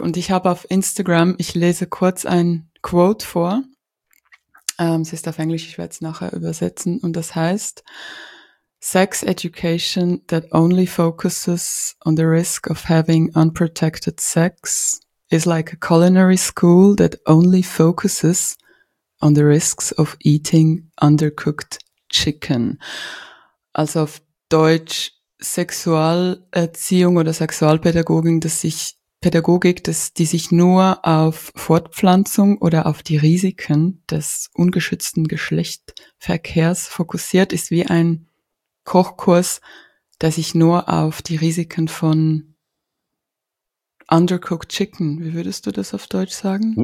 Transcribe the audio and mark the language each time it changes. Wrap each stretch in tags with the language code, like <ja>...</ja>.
<de>Und ich habe auf Instagram, ich lese kurz ein Quote vor. Sie ist auf Englisch, ich werde es nachher übersetzen. Und das heißt:</de> <en>Sex education that only focuses on the risk of having unprotected sex is like a culinary school that only focuses on the risks of eating undercooked chicken.</en> <de>Also auf Deutsch, Sexualerziehung oder Sexualpädagogik, die sich nur auf Fortpflanzung oder auf die Risiken des ungeschützten Geschlechtsverkehrs fokussiert, ist wie ein Kochkurs, der sich nur auf die Risiken von</de> <en>undercooked chicken,</en> <de>wie würdest du das auf Deutsch sagen?</de>